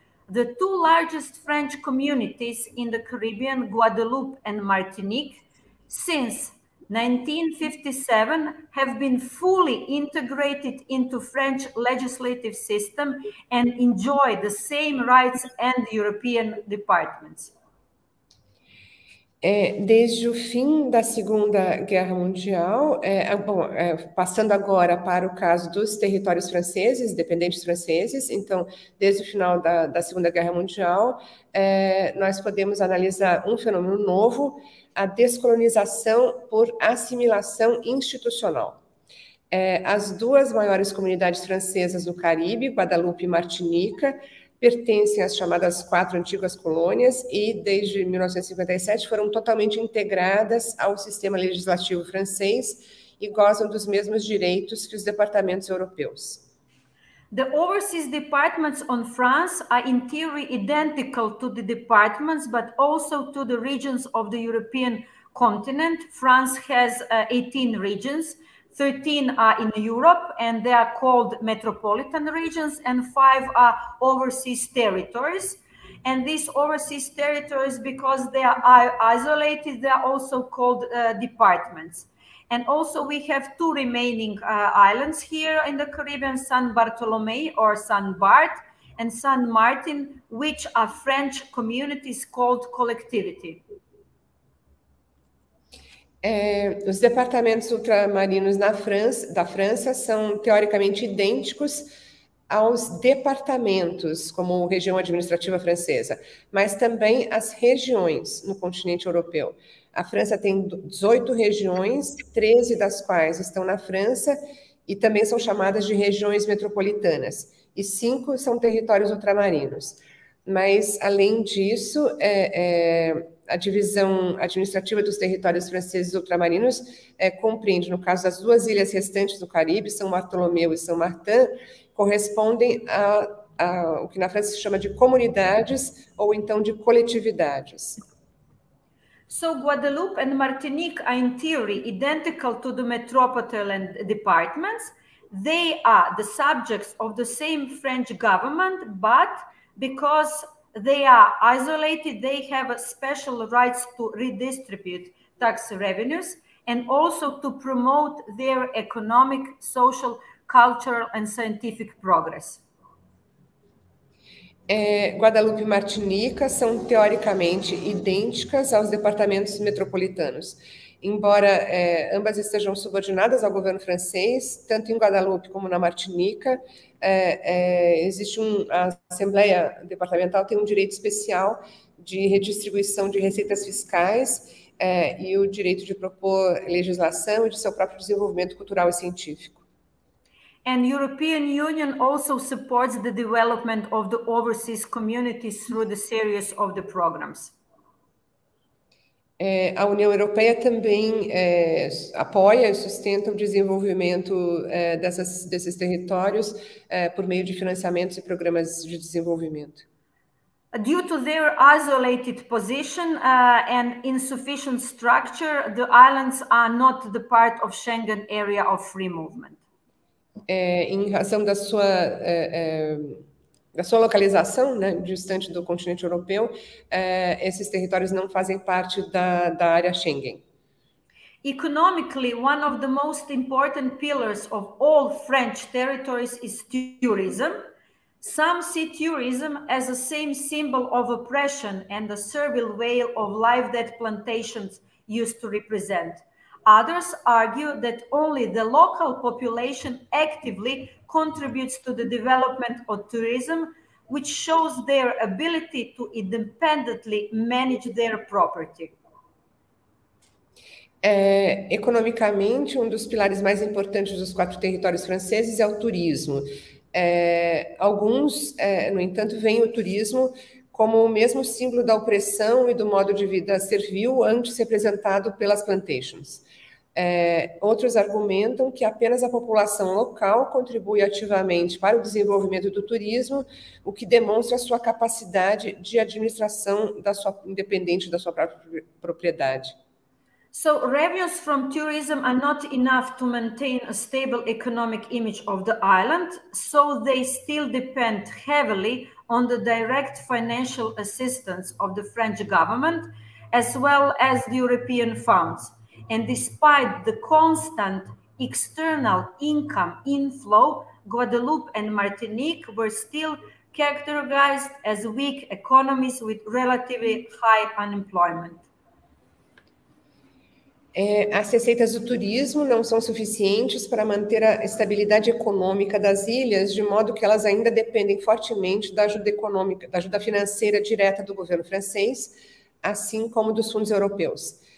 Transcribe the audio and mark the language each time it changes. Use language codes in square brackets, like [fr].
[en] The two largest French communities in the Caribbean, Guadeloupe and Martinique, since 1957, have been fully integrated into French legislative system and enjoy the same rights and European departments. [pt] Desde o fim da Segunda Guerra Mundial, passando agora para o caso dos territórios franceses, dependentes franceses, então, desde o final da Segunda Guerra Mundial, nós podemos analisar um fenômeno novo, a descolonização por assimilação institucional. As duas maiores comunidades francesas do Caribe, Guadalupe e Martinica, pertencem às chamadas quatro antigas colônias e, desde 1957, foram totalmente integradas ao sistema legislativo francês e gozam dos mesmos direitos que os departamentos europeus. [en] The overseas departments on France are in theory identical to the departments, but also to the regions of the European continent. France has 18 regions. 13 are in Europe and they are called metropolitan regions, and five are overseas territories. And these overseas territories, because they are isolated, they are also called departments. And also, we have two remaining islands here in the Caribbean, San Bartolome or San Bart and San Martin, which are French communities called collectivity. [pt] Os departamentos ultramarinos da França são teoricamente idênticos aos departamentos, como região administrativa francesa, mas também às regiões no continente europeu. A França tem 18 regiões, 13 das quais estão na França e também são chamadas de regiões metropolitanas, e 5 são territórios ultramarinos. Mas, além disso, a divisão administrativa dos territórios franceses ultramarinos compreende, no caso das duas ilhas restantes do Caribe, São Bartolomeu e São Martin, correspondem a o que na França se chama de comunidades ou então de coletividades. [en] So Guadeloupe and Martinique are in theory identical to the metropolitan departments. They are the subjects of the same French government, but because they are isolated, they have special rights to redistribute tax revenues and also to promote their economic, social, cultural and scientific progress. [pt] Guadalupe e Martinica são teoricamente idênticas aos departamentos metropolitanos, embora ambas estejam subordinadas ao governo francês. Tanto em Guadalupe como na Martinica, a Assembleia Departamental tem um direito especial de redistribuição de receitas fiscais e o direito de propor legislação e de seu próprio desenvolvimento cultural e científico. [en] And European Union also supports the development of the overseas communities through the series of the programs. [pt] A União Europeia também apoia e sustenta o desenvolvimento desses territórios por meio de financiamentos e programas de desenvolvimento. [en] Due to their isolated position and insufficient structure, the islands are not the part of Schengen area of free movement. [pt] Em razão da sua localização, né, distante do continente europeu, esses territórios não fazem parte da área Schengen. [en] Economically, one of the most important pillars of all French territories is tourism. Some see tourism as the same symbol of oppression and the servile way of life that plantations used to represent. Others argue that only the local population actively contributes to the development of tourism, which shows their ability to independently manage their property. [pt] Economicamente, um dos pilares mais importantes dos quatro territórios franceses é o turismo. Alguns, no entanto, veem o turismo como o mesmo símbolo da opressão e do modo de vida servil antes representado pelas plantations. Outros argumentam que apenas a população local contribui ativamente para o desenvolvimento do turismo, o que demonstra a sua capacidade de administração da sua independente da sua própria propriedade. [en] So, revenues from tourism are not enough to maintain a stable economic image of the island, so they still depend heavily on the direct financial assistance of the French government, as well as the European funds. And despite the constant external income inflow, Guadeloupe and Martinique were still characterized as weak economies with relatively high unemployment. [pt] As receitas do turismo não são suficientes para manter a estabilidade econômica das ilhas, de modo que elas ainda dependem fortemente da ajuda econômica, da ajuda financeira direta do governo francês, assim como dos fundos europeus.